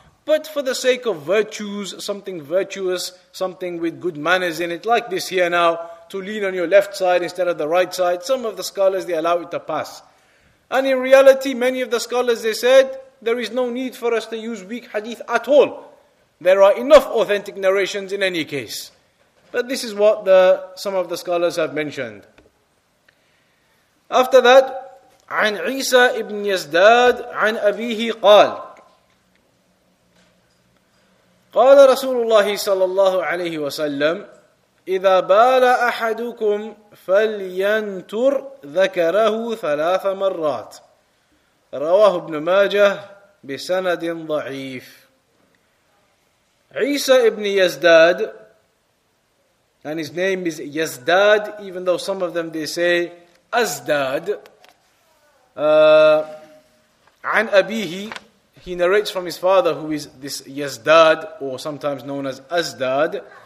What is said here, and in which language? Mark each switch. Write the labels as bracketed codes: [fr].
[en] But for the sake of virtues, something virtuous, something with good manners in it, like this here now, to lean on your left side instead of the right side, some of the scholars, they allow it to pass. And in reality, many of the scholars, they said, there is no need for us to use weak hadith at all. There are enough authentic narrations in any case. But this is what some of the scholars have mentioned. After that, [ar] عن عيسى ابن يزداد عن أبيه قال قال رسول الله صلى الله عليه وسلم إذا بال أحدكم فلينتر ذكره ثلاث مرات رواه ابن ماجه بسند ضعيف. [en] عيسى ابن يزداد, and his name is Yazdad, even though some of them they say Azdad, [ar] عن أبيه, [en] he narrates from his father, who is this Yazdad, or sometimes known as Azdad.